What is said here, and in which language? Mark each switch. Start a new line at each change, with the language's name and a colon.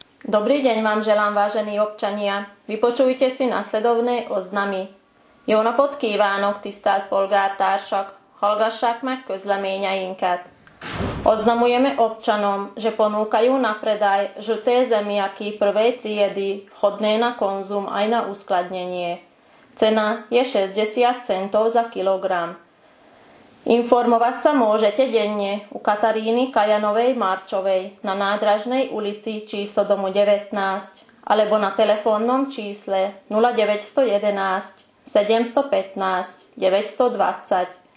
Slovak: Dobrý deň vám želám, vážení občania. Vypočujte si nasledovné oznamy.
Hungarian: Jó napot kívánok, tisztelt polgártársak! Hallgassák meg közleményeinket!
Slovak: Oznamujeme občanom, že ponúkajú na predaj žlté zemiaky prvej triedy, vhodné na konzum aj na uskladnenie. Cena je 60 centov za kilogram. Informovať sa môžete denne u Kataríny Kajanovej Marčovej na Nádražnej ulici číslo domu 19 alebo na telefónnom čísle 0911 715 920.